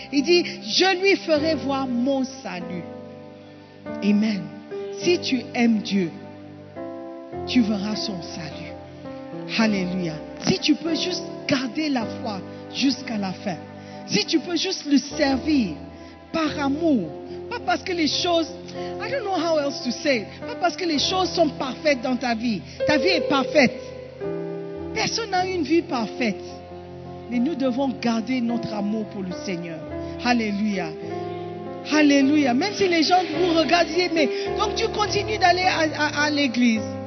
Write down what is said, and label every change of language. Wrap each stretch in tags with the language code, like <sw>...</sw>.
<fr>Il dit, je lui ferai voir mon salut. Amen. Si tu aimes Dieu, tu verras son salut. Alléluia. Si tu peux juste garder la foi jusqu'à la fin. Si tu peux juste le servir par amour. Pas parce que les choses,</fr> <en>I don't know how else to say.</en> <fr>Pas parce que les choses sont parfaites dans ta vie. Ta vie est parfaite. Personne n'a une vie parfaite. Mais nous devons garder notre amour pour le Seigneur. Alléluia. Alléluia. Même si les gens vous regardent, mais donc tu continues d'aller à l'église.</fr>